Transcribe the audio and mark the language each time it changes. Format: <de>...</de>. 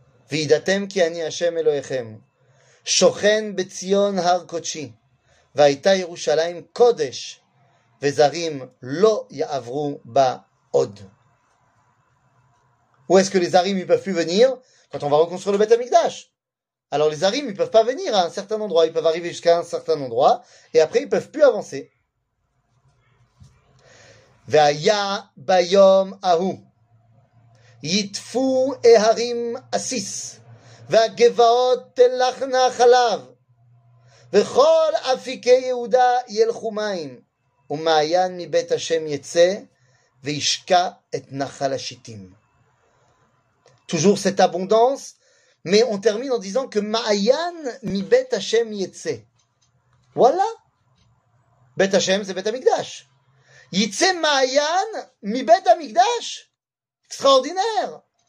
<he>V'idatem ki ani Hashem Elohechem, shochen betzion har kotchi, והייתה ירושלים קודש, וזרים לא יעברו בה עוד.</he> <fr>Où est-ce que les Zarim ne peuvent plus venir quand on va reconstruire le Beth Amikdash? Alors les Zarim ne peuvent pas venir à un certain endroit, ils peuvent arriver jusqu'à un certain endroit, et après ils ne peuvent plus avancer.</fr> <he>והיה ביום ההוא, יתפו ההרים עסיס, והגבעות תלכנה חלב, וכל אפיקי יהודה ילכו מים, ומעיין מבית השם יצא, וישקע את נחל השיטים.</he> <fr>Toujours cette abondance, mais on termine en disant que</fr> <he>מעיין מבית השם יצא.</he> <fr>Voilà.</fr> <he>בית השם זה בית המקדש. יצא מעיין מבית המקדש?</he> <fr>Extraordinaire.</fr>